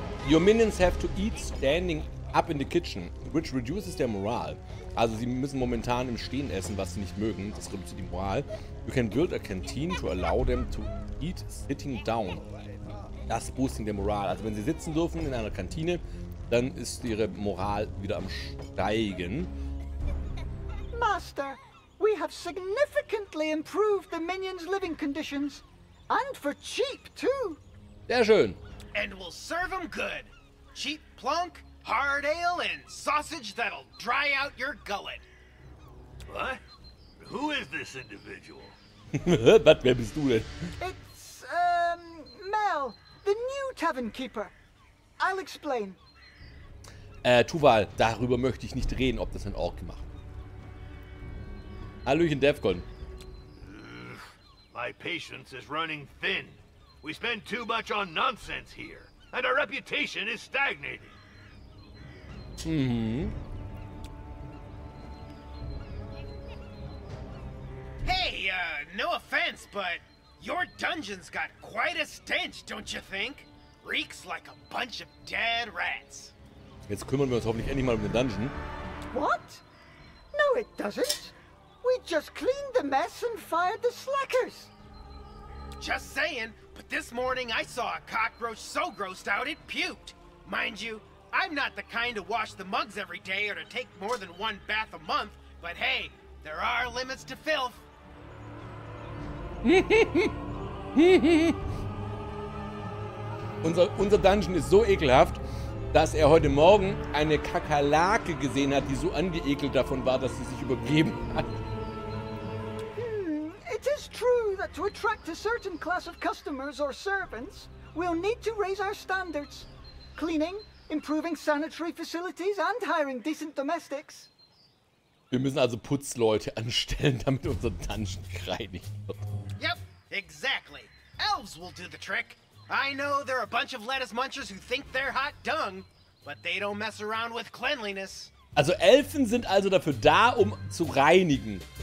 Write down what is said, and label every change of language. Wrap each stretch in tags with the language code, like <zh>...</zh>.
<en>Your minions have to eat standing up in the kitchen, which reduces their morale.</en> <de>Also sie müssen momentan im Stehen essen, was sie nicht mögen. Das reduziert die Moral.</de> <en>You can build a canteen to allow them to eat sitting down.</en> <de>Das boosting der Moral. Also wenn sie sitzen dürfen in einer Kantine, dann ist ihre Moral wieder am Steigen.</de> <en>Master, we have significantly improved the minions' living conditions. And for cheap, too.</en> <de>Sehr schön.</de> <en>And we'll serve them good. Cheap plunk. Hard ale and sausage that'll dry out your gullet. What? Who is this individual?</en> <de>But wer bist du denn?</de> <en>It's, Mel, the new tavern keeper. I'll explain.</en> <de>Tuval, darüber möchte ich nicht reden, ob das ein Ork gemacht hat. Hallöchen, Defcon.</de> <en>My patience is running thin. We spend too much on nonsense here. And our reputation is stagnating. Mhm. no offense, but your dungeons got quite a stench, don't you think? Reeks like a bunch of dead rats.</en> <de>Jetzt kümmern wir uns hoffentlich endlich mal um den Dungeon.</de> <en>What? No, it doesn't. We just cleaned the mess and fired the slackers. Just saying, but this morning I saw a cockroach so grossed out it puked. Mind you, I'm not the kind to wash the mugs every day or to take more than one bath a month, but hey, there are limits to filth.</en> <de>Unser Dungeon ist so ekelhaft, dass er heute Morgen eine Kakerlake gesehen hat, die so angeekelt davon war, dass sie sich übergeben hat.</de> <en>It is true that to attract a certain class of customers or servants, we'll need to raise our standards. Cleaning, improving sanitary facilities and hiring decent domestics.</en> <de>Wir müssen also Putzleute anstellen, damit unser Dungeon gereinigt wird.</de> <en>Yep, exactly. Elves will do the trick. I know there are a bunch of lettuce munchers who think they're hot dung, but they don't mess around with cleanliness.</en> <de>Also Elfen sind also dafür da, um zu reinigen.</de>